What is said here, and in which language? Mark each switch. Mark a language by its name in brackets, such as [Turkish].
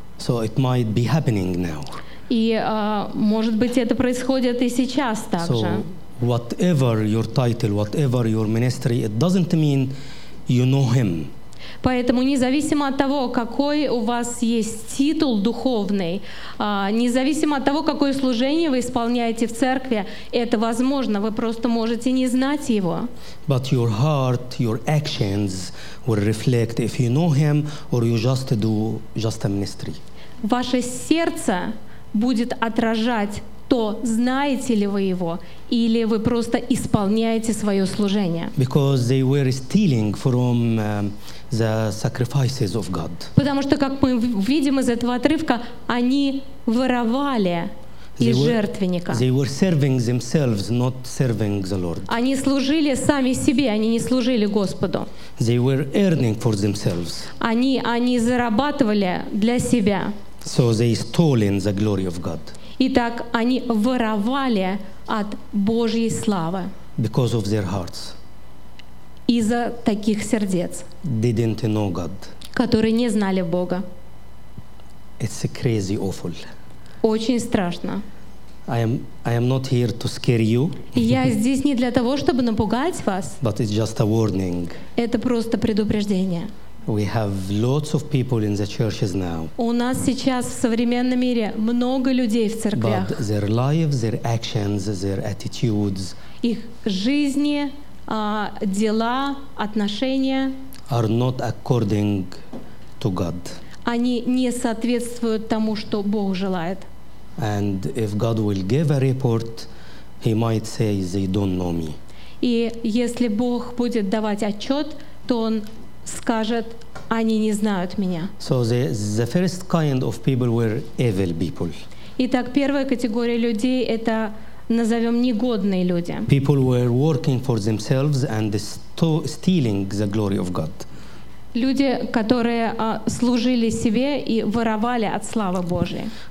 [English] So it might be happening now. [Russian] И, может быть, это происходит и сейчас также. [English] So, whatever your title, whatever your ministry, it doesn't mean you know him. [Russian] Поэтому, независимо от того, какой у вас есть титул духовный, независимо от того, какое служение вы исполняете в церкви, это возможно, вы просто можете не знать его. [English] But your heart, your actions will reflect if you know him or you just do just a ministry. [Russian] Ваше сердце будет отражать то, знаете ли вы его, или вы просто исполняете свое служение. [English] Because they were stealing from the sacrifices of God. [Russian] Потому что, как мы видим из этого отрывка, они воровали из жертвенника. [English] They were serving themselves, not serving the Lord. [Russian] Они служили сами себе, они не служили Господу. [English] They were earning for themselves. [Russian] Они зарабатывали для себя. [English] So they stole the glory of God. [Russian] Итак, они воровали от Божьей славы. [English] Because of their hearts. [Russian] Из-за таких сердец. [English] They didn't know God. [Russian] Которые не знали Бога. [English] It's a crazy awful. [Russian] Очень страшно. [English] I am not here to scare you. [Russian] Я здесь не для того, чтобы напугать вас. [English] But it's just a warning. [Russian] Это просто предупреждение. [English] We have lots of people in the churches now. [Russian] У нас сейчас в современном мире много людей в церквях. [English] But their lives, their actions, their attitudes. [Russian] Их жизни, дела, отношения. [English] Are not according to God. [Russian] Они не соответствуют тому, что Бог желает. [English] And if God will give a report, He might say they don't know me. [Russian] И если Бог будет давать отчет, то Он скажет, они не знают меня. [English] So the first kind of people were evil people. [Russian] Итак, первая категория людей — это, назовем, негодные люди. [English] People were working for themselves and stealing the glory of God. [Russian] Люди, которые служили себе и воровали от славы Божьей.